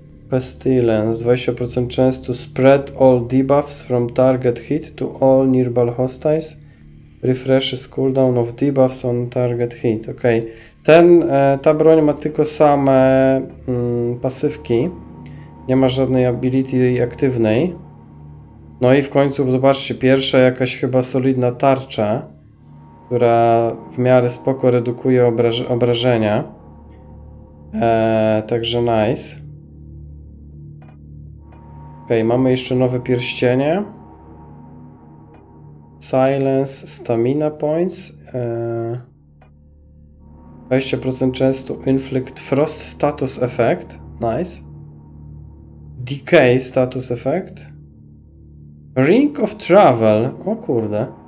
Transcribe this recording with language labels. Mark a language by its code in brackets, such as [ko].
[en] Pestilence, 20% chance to spread all debuffs from target hit to all nearby hostiles. Refreshes cooldown of debuffs on target hit. Ok. [pl] Ta broń ma tylko same pasywki. Nie ma żadnej ability aktywnej. No i w końcu zobaczcie, pierwsza jakaś chyba solidna tarcza, która w miarę spoko redukuje obrażenia. Także nice. Ok, mamy jeszcze nowe pierścienie. [en] Silence, stamina points. 20% często inflict frost status effect. Nice. Decay status effect. Ring of travel. [pl] O kurde.